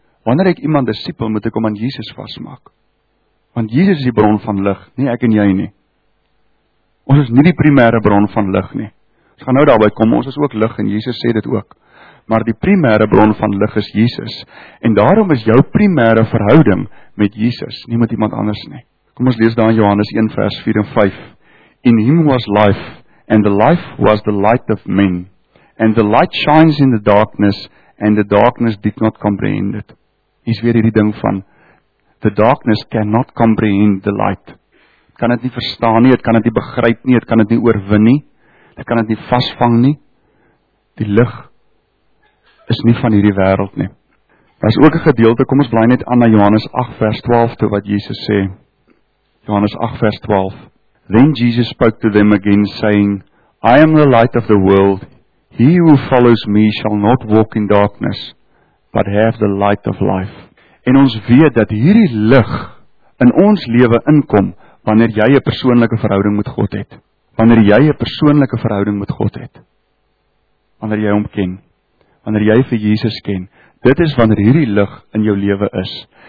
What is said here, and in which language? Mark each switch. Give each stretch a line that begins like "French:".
Afrikaans: Wanneer ek iemand disipel, moet ek hom aan Jesus vasmaak. Want Jesus is die bron van lig, nie ek en jy nie. Ons is nie die primêre bron van lig nie. Ons gaan nou daarby kom, ons is ook lig en Jesus sê dit ook. Maar die primêre bron van lig is Jesus. En daarom is jou primêre verhouding met Jesus, nie met iemand anders nie. Kom ons lees daar in Johannes 1 vers 4 en 5.
English: In him was life, and the life was the light of men. And the light shines in the darkness, and the darkness did not comprehend it.
Afrikaans: Hier is weer hierdie ding van,
English: the darkness cannot comprehend the light.
Afrikaans: Het kan het nie verstaan nie, het kan het nie begryp nie, het kan het nie oorwin nie, het kan het nie vasvang nie. Die lig is nie van hierdie wêreld nie. Daar is ook een gedeelte, kom ons blaai net aan na Johannes 8 vers 12, toe wat Jesus sê. Johannes 8 vers 12.
English: Then Jesus spoke to them again, saying, I am the light of the world. He who follows me shall not walk in darkness, but have the light of life.
Afrikaans: En ons weet dat hierdie lig in ons lewe inkom, wanneer jy 'n persoonlike verhouding met God het. Wanneer jy 'n persoonlike verhouding met God het. Wanneer jy hom ken. Wanneer jy vir Jesus ken. Dit is wanneer hierdie lig in jou lewe is.